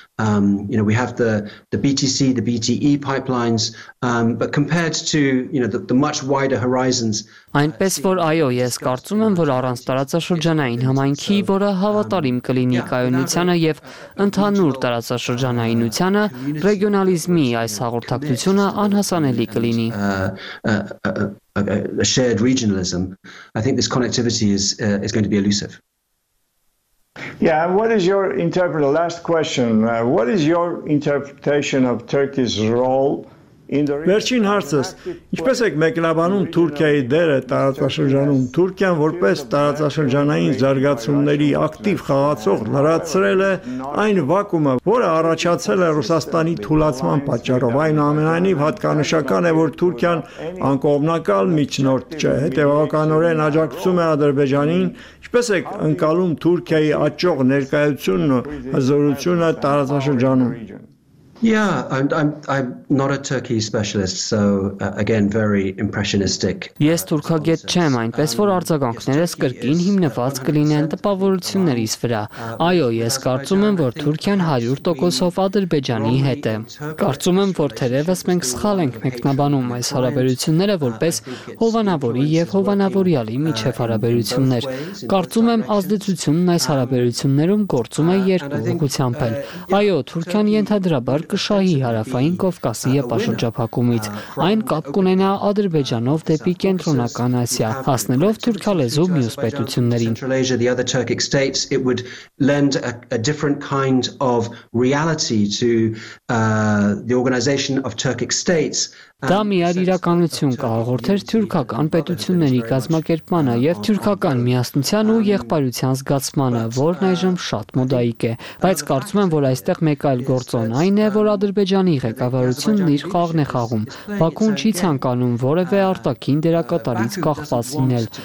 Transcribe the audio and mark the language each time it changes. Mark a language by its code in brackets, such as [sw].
[en] We have the BTC, the BTE pipelines, but compared to, the much wider horizons. [hy] Այնպես որ այո, ես կարծում եմ, որ առանց տարածաշրջանային համայնքի, որը հավատարիմ կլինի կայունությանը եւ ընդհանուր տարածաշրջանայինությանը, ռեգիոնալիզմի այս հաղորդակցությունը անհասանելի կլինի. [en] A shared regionalism, I think this connectivity is going to be elusive. Yeah, and what is your interpretation? Last question. What is your interpretation of Turkey's role in the region? [hy] Վերջին հարցս. Ինչպես եք մեկնաբանում Թուրքիայի դերը տարածաշրջանում? Թուրքիան որպես տարածաշրջանային զարգացումների ակտիվ խաղացող լրացրել է այն վակումը, որը առաջացել է Ռուսաստանի թուլացման պատճառով։ Այնուամենայնիվ հատկանշական է, որ Թուրքիան անկողմնակալ միջնորդ չէ, հետևականորեն աջակցում է Ադրբեջանին։ Ինչպես եք ընկալում Թուրքիայի աջող ներկայությունն ու հզորությունը տարածաշրջանում? [en] Yeah, I'm not a Turkey specialist, so again very impressionistic. [hy] Ես թուրքագետ չեմ, այնպես որ արձագանքներս կրկին հիմնված կլինեն տպավորություններից վրա։ Այո, ես կարծում եմ, որ Թուրքիան 100%-ով Ադրբեջանի հետ է։ Կարծում եմ, որ թերևս մենք սխալ ենք մեկնաբանում այս հարաբերությունները որպես հովանավորի եւ հովանավորյալի միջև հարաբերություններ։ Կարծում եմ, ազդեցությունն այս հարաբերություններում գործում է երկու ուղղությամբ։ Այո, Թուրքիան ենթադրաբար կշահի հարավային Կովկասի եպաշրջափակումից, այն կապ կունենա Ադրբեջանով դեպի կենտրոնական Ասիա, հասնելով թուրքալեզու մյուս պետություններին. [en] The other Turkic states, it would lend a different kind of reality to the organization of Turkic states. [hy] Դա միայն իրականություն կհաղորդեր թուրքական պետությունների կազմակերպմանը եւ թուրքական միասնության ու եղբայրության զգացմանը, որն այժմ շատ մոդայիկ է, բայց կարծում եմ, որ այստեղ մեկ այլ գործոն այն է, որ Ադրբեջանի ղեկավարությունն իր խաղն է խաղում։ Բաքուն չի ցանկանում որևէ արտաքին դերակատարից կախված լինել,